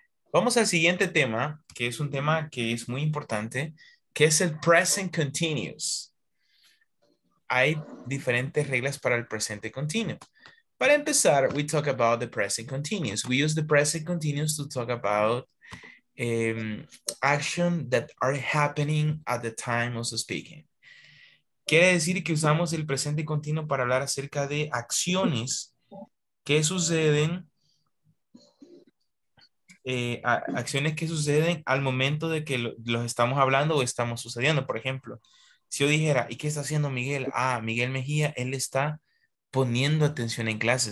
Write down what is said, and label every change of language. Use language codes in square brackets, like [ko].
[es] Vamos al siguiente tema, que es un tema que es muy importante, que es el present continuous. Hay diferentes reglas para el presente continuo. Para empezar, [en] we talk about the present continuous. We use the present continuous to talk about action that are happening at the time of speaking. [es] Quiere decir que usamos el presente continuo para hablar acerca de acciones que suceden, acciones que suceden al momento de que los estamos hablando o estamos sucediendo. Por ejemplo, si yo dijera, ¿y qué está haciendo Miguel? Ah, Miguel Mejía, él está poniendo atención en clases.